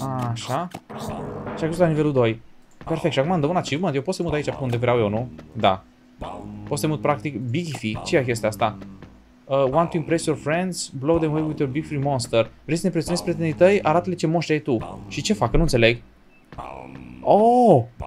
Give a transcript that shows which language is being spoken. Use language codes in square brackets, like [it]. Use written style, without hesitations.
[ro] Așa. Și acum la nivelul 2. Perfect, și acum îmi dă un achievement. Eu pot să mut aici pe unde vreau eu, nu? Da. Pot să mut practic Biggie. Ce e chestia asta? [en] Want to impress your friends? Blow them away with your big free monster. [ro] Vrei să ne impresionezi prietenii tăi? Arată-le ce monștri ai tu. Și ce fac? Că nu înțeleg. Oh!